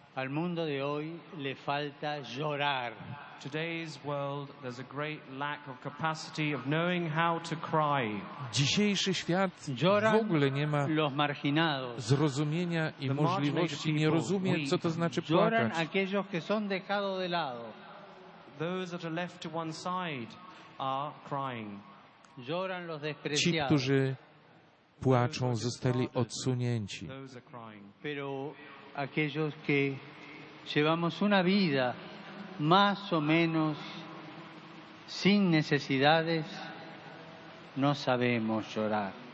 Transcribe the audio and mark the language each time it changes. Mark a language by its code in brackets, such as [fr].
[es] Al mundo de hoy le falta llorar. [en] Today's world there's a great lack of capacity of knowing how to cry. [pl] Dzisiejszy świat w ogóle nie ma zrozumienia i możliwości, nie rozumie, co to znaczy płakać. [es] Aquellos que son dejado de lado. [en] Those that are left to one side are crying. [es] Lloran los despreciados. [pl] Ci, którzy płaczą, zostali odsunięci. [es] Pero aquellos que llevamos una vida más o menos sin necesidades no sabemos llorar.